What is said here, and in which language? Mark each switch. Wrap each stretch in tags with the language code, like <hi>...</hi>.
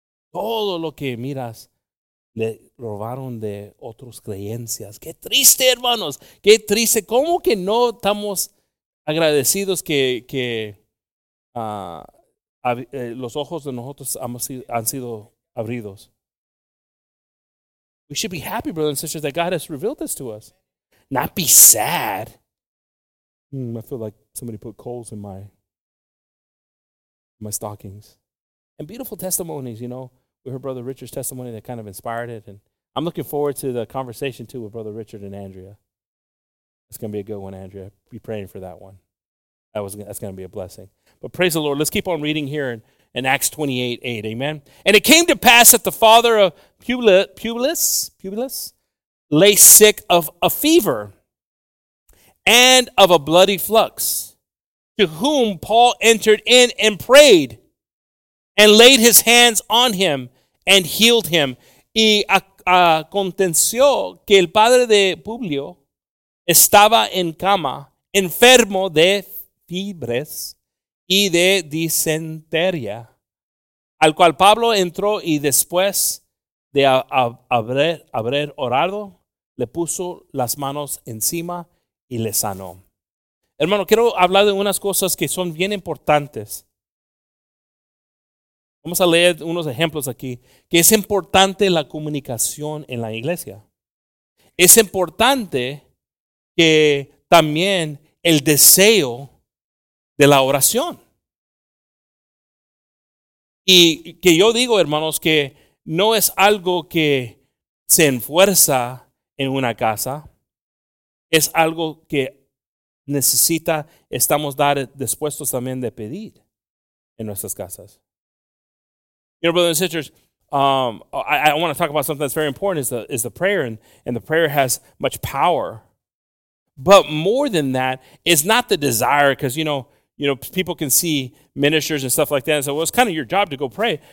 <es>Todo lo que miras le robaron de otras creencias. Qué triste, hermanos. Qué triste. ¿Cómo que no estamos agradecidos los ojos de nosotros han sido abridos?</es> <en>We should be happy, brothers and sisters, that God has revealed this to us. Not be sad. I feel like somebody put coals in my stockings. And beautiful testimonies, you know. We heard Brother Richard's testimony that kind of inspired it. And I'm looking forward to the conversation, too, with Brother Richard and Andrea. It's going to be a good one, Andrea. Be praying for that one. That's going to be a blessing. But praise the Lord. Let's keep on reading here in Acts 28:8. Amen. And it came to pass that the father of Publius lay sick of a fever and of a bloody flux, to whom Paul entered in and prayed and laid his hands on him and healed him.</en> <es>Y aconteció que el padre de Publio estaba en cama, enfermo de fiebres y de disentería, al cual Pablo entró y después de haber orado, le puso las manos encima y le sanó. Hermano, quiero hablar de unas cosas que son bien importantes. Vamos a leer unos ejemplos aquí. Que es importante la comunicación en la iglesia. Es importante que también el deseo de la oración. Y que yo digo, hermanos, que no es algo que se enfuerza en una casa. Es algo que necesita, estamos dispuestos también de pedir en nuestras casas.</es> <en>You know, brothers and sisters, I want to talk about something that's very important, is the prayer, and the prayer has much power. But more than that, it's not the desire, because, you know, people can see ministers and stuff like that and say, well, it's kind of your job to go pray.</en>